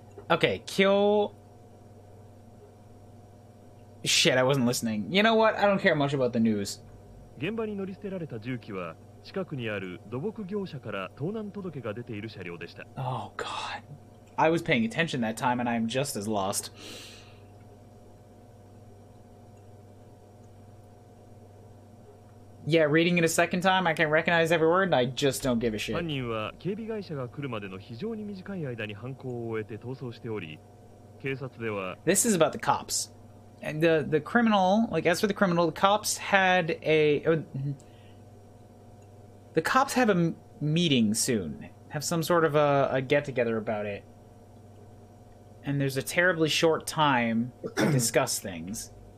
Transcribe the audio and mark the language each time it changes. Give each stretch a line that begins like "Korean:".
English: Okay, kill. Shit, I wasn't listening. You know what? I don't care much about the news.
Japanese: 現場に乗り捨てられた重機は近くにある土木業者から盗難届が出ている車両でした。
English: Oh god. I was paying attention that time and I'm just as lost. Yeah, reading it a second time, I can recognize every word and I just don't give a shit.
Japanese: 犯人は警備会社が来るまでの非常に短い間に犯行を終えて逃走しており、警察では
English: This is about the cops. And the criminal, like, as for the criminal, the cops had a... The cops have a meeting soon. Have some sort of a get-together about it. And there's a terribly short time to discuss things.